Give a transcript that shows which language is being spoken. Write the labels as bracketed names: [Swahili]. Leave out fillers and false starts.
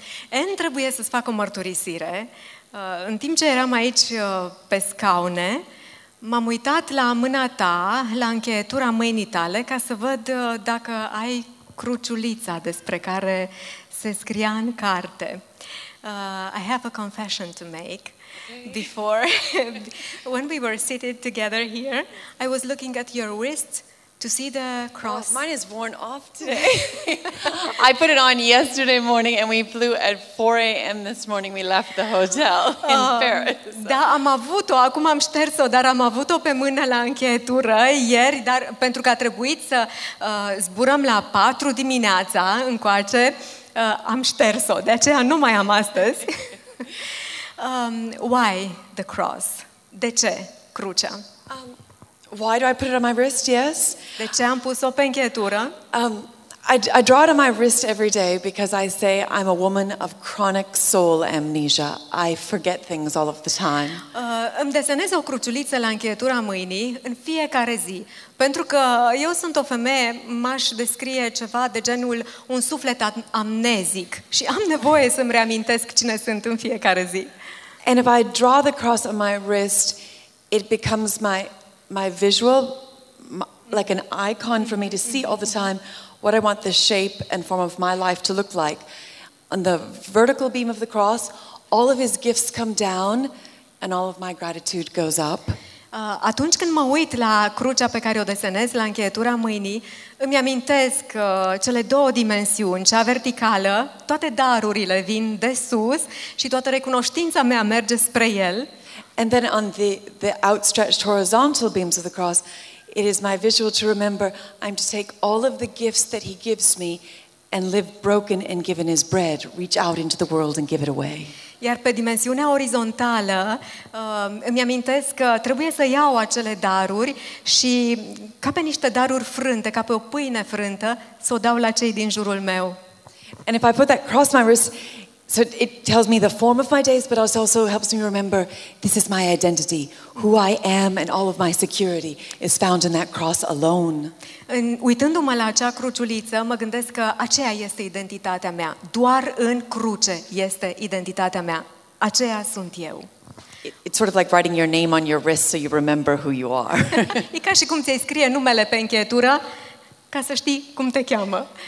[Romanian] Anne trebuie să-ți facă o mărturisire. În timp ce eram aici pe scaune, m-am uitat la mâna ta, la încheietura mâinii tale, ca să văd dacă ai cruciulița despre care se scria în carte. [English] I have a confession to make. Before, when we were seated together here, I was looking at your wrist to see the cross. Oh, mine is worn off today. I put it on yesterday morning and we flew at 4 a.m. this morning. We left the hotel in Paris. So. [Romanian] Da, am avut-o, acum am șters-o, dar am avut-o pe mână la încheietură ieri, dar pentru că a trebuit să zburăm la 4 dimineața încoace, am șters-o, de aceea nu mai am astăzi. [English] Why the cross? [Romanian] De ce crucea? [English] Why do I put it on my wrist? Yes. [Romanian] De ce am pus-o pe încheietură? [English] I draw it on my wrist every day because I say I'm a woman of chronic soul amnesia. I forget things all of the time. [Romanian] Îmi desenez o cruciuliță la încheietura mâinii în fiecare zi, pentru că eu sunt o femeie, m-aș descrie ceva de genul un suflet amnezic și am nevoie să-mi reamintesc cine sunt în fiecare zi. [English] And if I draw the cross on my wrist, it becomes my visual, like an icon for me to see all the time. What I want the shape and form of my life to look like. On the vertical beam of the cross, all of his gifts come down and all of my gratitude goes up. [Romanian] Atunci când mă uit la crucea pe care o desenez la încheietura mâinii, îmi amintesc cele două dimensiuni, cea verticală, toate darurile vin de sus și toată recunoștința mea merge spre el. [English] And then on the outstretched horizontal beams of the cross, it is my visual to remember I'm to take all of the gifts that he gives me and live broken and given his bread, reach out into the world and give it away. [Romanian] Iar pe dimensiunea orizontală, îmi amintesc că trebuie să iau acele daruri și ca pe niște daruri frânte, ca pe o pâine frântă, să o dau la cei din jurul meu. [English] And if I put that cross my wrist, so it tells me the form of my days, but it also helps me remember this is my identity, who I am, and all of my security is found in that cross alone. [Romanian] Uitându-mă la acea cruciuliță, mă gândesc că aceea este identitatea mea. Doar în cruce este identitatea mea. Aceea sunt eu. [English] It's sort of like writing your name on your wrist so you remember who you are. [Romanian] E ca și cum ți-ai scrie numele pe încheietură ca să știi cum te cheamă.